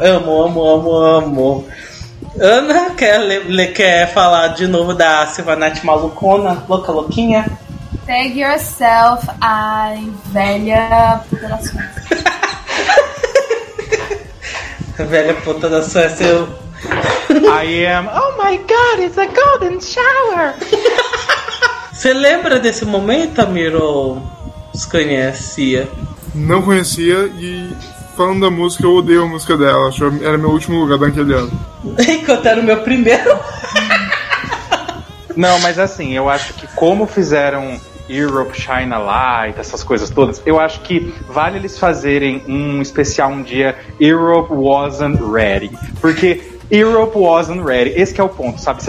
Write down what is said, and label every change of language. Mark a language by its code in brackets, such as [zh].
[pt] Amo, amo, amo, amo. Ana quer falar de novo da Silvanete malucona? Louca, louquinha? [en] Tag yourself, [pt] a velha puta da Suécia. A velha puta da Suécia, eu... [en] I am... Oh my God, it's a golden shower! [pt] Você lembra desse momento, Amiro? Você conhecia? Não conhecia e, falando da música, eu odeio a música dela. Acho que era meu último lugar daquele ano. Enquanto era o meu primeiro. Não, mas assim, eu acho que como fizeram Europe Shine a Light, essas coisas todas, eu acho que vale eles fazerem um especial um dia Europe Wasn't Ready, porque Europe Wasn't Ready, esse que é o ponto, sabe?